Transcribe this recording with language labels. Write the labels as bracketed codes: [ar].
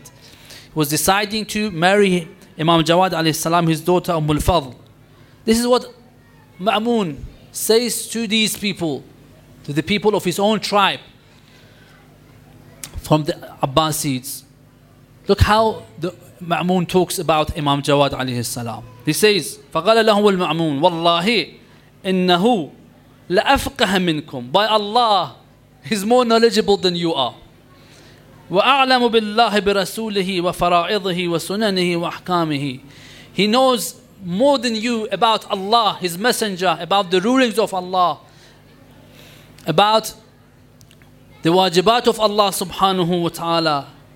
[en] He was deciding to marry Imam Jawad alayhi salam, his daughter Ummul Fadl. This is what Ma'mun says to these people, to the people of his own tribe, from the Abbasids. Look how the Ma'mun talks about Imam Jawad alayhi salam. He says, [ar] فَقَالَ لَهُمُ الْمَعْمُونَ وَاللَّهِ إِنَّهُ لَأَفْقَهَ مِنْكُمْ. [en] By Allah, he's more knowledgeable than you are. [ar] وَأَعْلَمُ بِاللَّهِ بِرَسُولِهِ وَفَرَائِضِهِ وَسُنَنِهِ وَأَحْكَامِهِ. [en] He knows more than you about Allah, his messenger, about the rulings of Allah, about the wajibat of Allah subhanahu wa ta'ala.